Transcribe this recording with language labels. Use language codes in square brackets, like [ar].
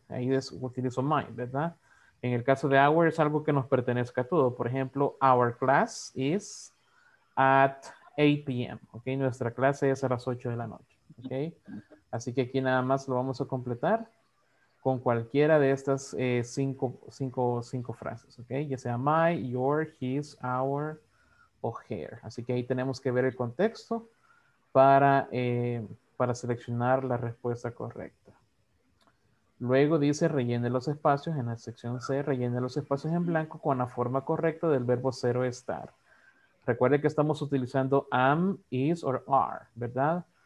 [es] Ahí es, utilizo my, ¿verdad? En el caso de our es algo que nos pertenezca a todos. Por ejemplo, [en] our class is at 8 p.m., ¿ok? [es] Nuestra clase es a las 8 de la noche, ¿ok? Así que aquí nada más lo vamos a completar con cualquiera de estas cinco frases, ¿ok? Ya sea my, your, his, our o her. Así que ahí tenemos que ver el contexto para seleccionar la respuesta correcta. Luego dice rellene los espacios en la sección C, rellene los espacios en blanco con la forma correcta del verbo ser o estar. Recuerde que estamos utilizando am, is o are, ¿verdad?